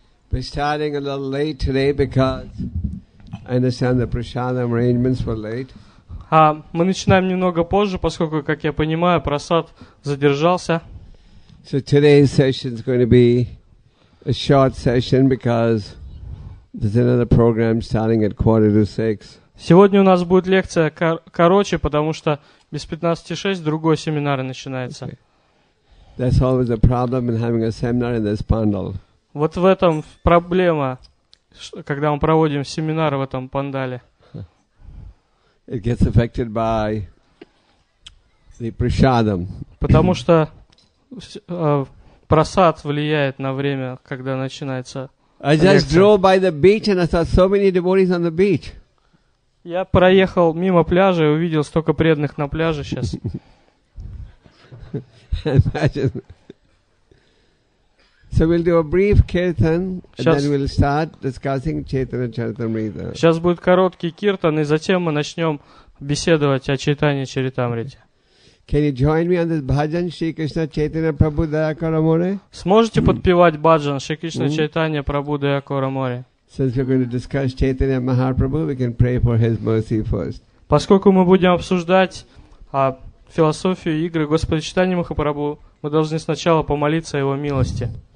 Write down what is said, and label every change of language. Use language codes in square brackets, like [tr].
[en] We're starting a little late today because I understand the prasadam arrangements were late. [ru] Мы начинаем немного позже, поскольку, как я понимаю, просад задержался. [en] So today's session is going to be a short session because there's another program starting at 5:45. [ru] Сегодня у нас будет лекция короче, потому что без 15:06 другой семинар начинается. [en] Okay. That's always a problem in having a seminar in this bundle. [ru] Вот в этом проблема, когда мы проводим семинар в этом пандале. [en] It gets affected by the prasadam. [ru] Потому что просад влияет на время, когда начинается лекция. [en] I just drove by the beach and I saw so many devotees on the beach. [ru] Я проехал мимо пляжа и увидел столько преданных на пляже сейчас. [en] Imagine. So we'll do a brief kirtan, and then we'll start discussing Chaitanya Charitamrita. [ru] Сейчас будет короткий киртан, и затем мы начнем беседовать о Чайтанье Чаритамрите. [en] Can you join me on this bhajan, Shri Krishna Chaitanya Prabhu Dayakara More? [ru] Сможете подпевать бхаджан, Шри Кришна Чайтанья Прабху Дайакара Море? [en] Since we're going to discuss Chaitanya Mahaprabhu, we can pray for his mercy first. [ru] Поскольку мы будем обсуждать философию игры Господа Чайтанья Махапрабху, мы должны сначала помолиться о его милости.